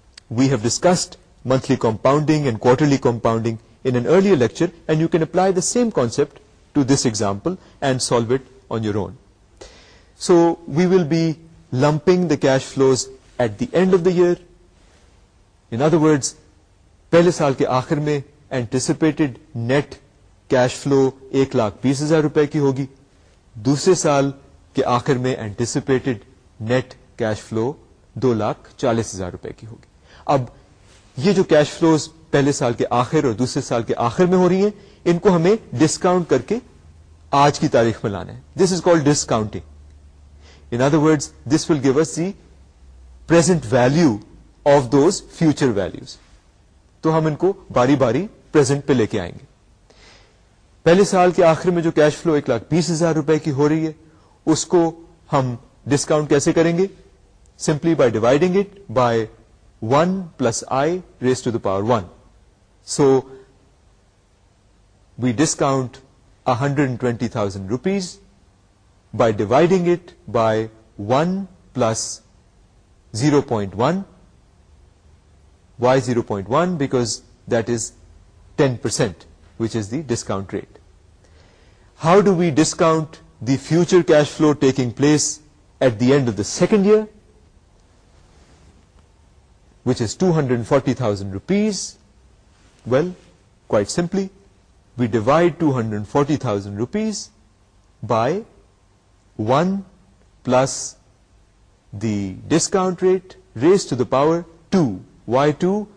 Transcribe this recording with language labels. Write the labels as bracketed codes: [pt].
[en] We have discussed monthly compounding and quarterly compounding in an earlier lecture, and you can apply the same concept to this example and solve it on your own. So we will be lumping the cash flows at the end of the year. In other words, [ur] pehle saal ke aakhir mein anticipated net cash flow 120,000 rupay ki hogi, دوسرے سال کے آخر میں anticipated net cash flow 240,000 روپے کی ہوگی. اب یہ جو کیش فلوز پہلے سال کے آخر اور دوسرے سال کے آخر میں ہو رہی ہیں, ان کو ہمیں ڈسکاؤنٹ کر کے آج کی تاریخ میں لانا ہے. [en] This is called discounting. In other words, this will give us the present value of those future values. [ur] تو ہم ان کو باری باری پریزنٹ پہ لے کے آئیں گے. پہلے سال کے آخر میں جو کیش فلو 120,000 روپے کی ہو رہی ہے, اس کو ہم ڈسکاؤنٹ کیسے کریں گے؟ [en] Simply by dividing it by 1 plus i raised to the power 1. So we discount 120,000 rupees by dividing it by 1 plus 0.1. Why 0.1؟ Because that is 10%, which is the discount rate. How do we discount the future cash flow taking place at the end of the second year, which is 240,000 rupees? Well, quite simply, we divide 240,000 rupees by 1 plus the discount rate raised to the power 2. Why 2?